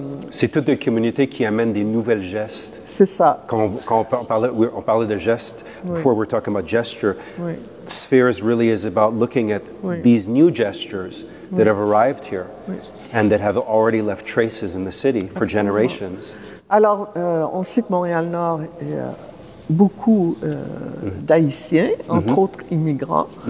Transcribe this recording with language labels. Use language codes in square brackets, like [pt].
[fr] C'est toute une communauté qui amène des nouvelles gestes. C'est ça. Quand on parlait de gestes, [en] before we're talking about gesture, Spheres really is about looking at these new gestures that have arrived here and that have already left traces in the city for generations. [fr] Alors, on sait que Montréal-Nord est beaucoup d'Haïtiens, entre autres immigrants.